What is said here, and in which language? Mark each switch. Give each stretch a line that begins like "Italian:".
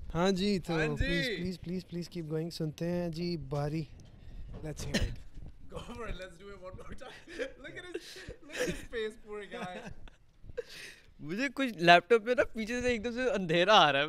Hindi: हाँ जी तो
English: please keep going.
Hindi: सुनते हैं जी बारी.
English: Let's hear it. Go for it. Let's do it one more time. Look at his face, poor guy.
Hindi: मुझे कुछ लैपटॉप में ना पीछे से एकदम से अंधेरा आ रहा है.